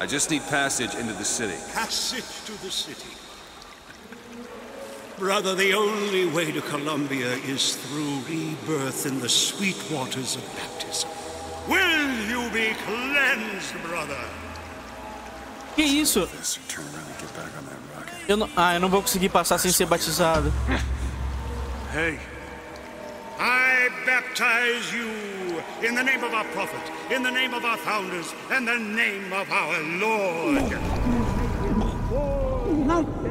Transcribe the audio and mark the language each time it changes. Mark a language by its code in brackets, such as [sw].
[en] I just need passage into the city. Passage to the city. Brother, the only way to Columbia is through rebirth in the sweet waters of baptism. Will you be cleansed, brother? [pt] Que isso? Eu não... Ah, eu não vou conseguir passar sem ser batizado. [en] Hey. I baptize you in the name of our prophet, in the name of our founders, and the name of our Lord.